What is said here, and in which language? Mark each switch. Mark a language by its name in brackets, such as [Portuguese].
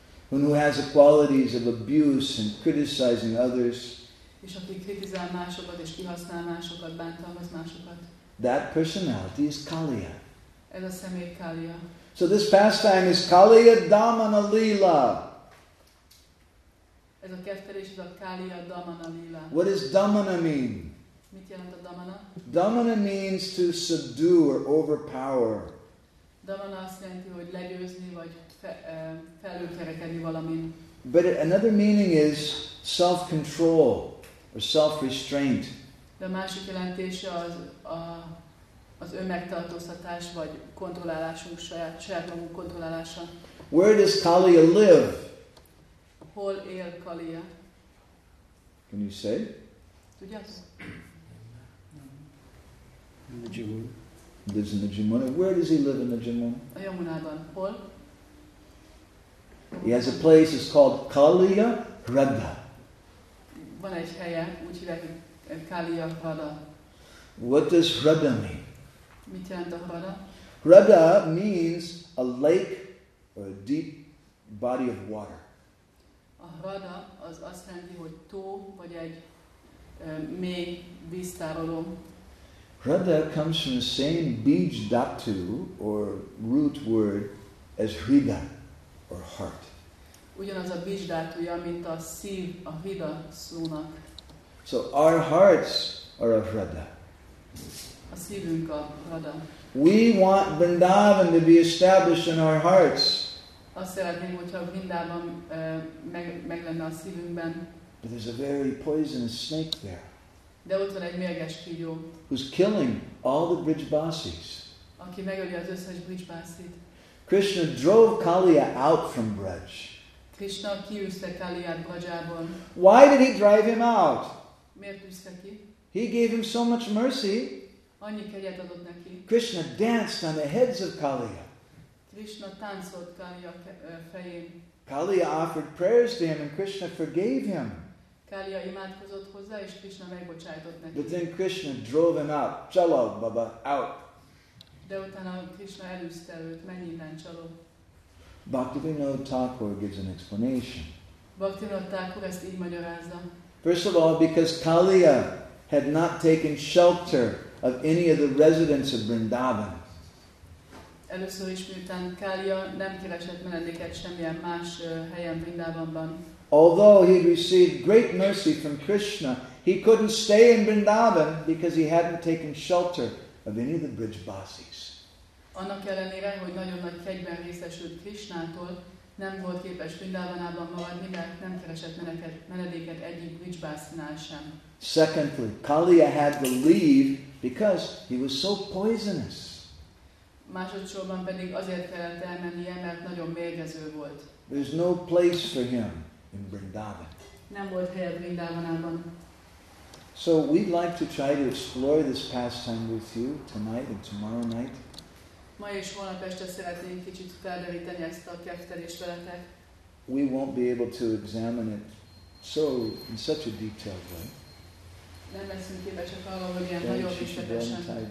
[English] Who has the qualities of abuse and criticizing others? [Hungarian] És aki kritizál másokat és kihasznál másokat, bántalmaz másokat. [English] That personality is Kaliya. [Hungarian] Ez a személy Kaliya. [English] So this pastime is Kaliya Damana Lila. [Hungarian] Ez a kettelés, ez a Kaliya Damana Lila. [English] What does Damana mean? [Hungarian] Mit jelent a Damana? [English] Damana means to subdue or overpower. [Hungarian] Damana azt jelenti, hogy legyőzni vagy felülkerekedni valamin. [English] But another meaning is self-control or self-restraint. [Hungarian] De a másik jelentése az az önmegtartóztatás vagy kontrollálásunk, saját magunk kontrollálása. [English] Where does Kaliya live? [Hungarian] Hol él Kaliya? [English] Can you say? [Hungarian] Tudjátok? [English] In the Jumun. Lives in the Jumun. Where does he live in the Jumun? [Hungarian] A Yamunában. Hol? [English] He has a place, it's called Kaliya Hrada. [Hungarian] Van egy helye, úgy hívják, hogy Kaliya Hrada. [English] What does Hrada mean? [Hungarian] Mit jelent a Hrada? [English] Hrada means a lake or a deep body of water. [Hungarian] A Hrada az azt jelenti, hogy tó vagy egy mély víztároló. [English] Hrada comes from the same bij dhatu or root word as hrida or heart. [Hungarian] Ugyanaz a bij dhatuja, mint a szív, a hrida szónak. [English] So our hearts are a hrada. [Hungarian] A szívünk a hrada. [English] We want Vrindavan to be established in our hearts. [Hungarian] Azt szeretném, hogyha Vrindavan meg lenne a szívünkben. [English] But there's a very poisonous snake there. [Hungarian] De ott van egy mérges kígyó. [English] Who's killing all the Brijbasis. [Hungarian] Aki megöli az összes Brijbasit. [English] Krishna drove Kaliya out from Braj. [Hungarian] Krishna kiűzte Kaliyát Brajából. [English] Why did he drive him out? [Hungarian] Miért üzte ki? [English] He gave him so much mercy. [Hungarian] Annyi kegyet adott neki. [English] Krishna danced on the heads of Kaliya. [Hungarian] Krishna táncolt Kaliya fején. [English] Kaliya offered prayers to him and Krishna forgave him. [Hungarian] Kaliya imádkozott hozzá, és Krishna megbocsájtott neki. [English] But then Krishna drove him out. [Hindi] Chalo, baba, out. [Hungarian] De utána Krishna elűzte őt. Menj innen, chalo. [English] Bhaktivinoda Thakur gives an explanation. [Hungarian] Bhaktivinoda Thakur ezt így magyarázza. [English] First of all, because Kaliya had not taken shelter of any of the residents of Vrindavan. [Hungarian] Először is, miután Kaliya nem keresett menedéket semmilyen más helyen Vrindavanban. [English] Although he received great mercy from Krishna, he couldn't stay in Vrindavan because he hadn't taken shelter of any of the Brijbasis. [Hungarian] Annak ellenére, hogy nagyon nagy kegyben részesült Krishnától, nem volt képes Vrindavanában maradni, mert nem keresett menedéket egyik Brijbasinál sem. [English] Secondly, Kaliya had to leave because he was so poisonous. [Hungarian] Másodszorban pedig azért kellett elmennie, mert nagyon mérgező volt. [English] There's no place for him in Vrindavan. [Hungarian] Nem volt helye Vrindavanában. [English] So we'd like to try to explore this pastime with you tonight and tomorrow night. [Hungarian] Ma és holnap este szeretnénk kicsit felderíteni ezt a keftelést veletek. [English] We won't be able to examine it so in such a detailed way. [Hungarian] Nem leszünk képesek arra, hogy ilyen nagyon részletesen.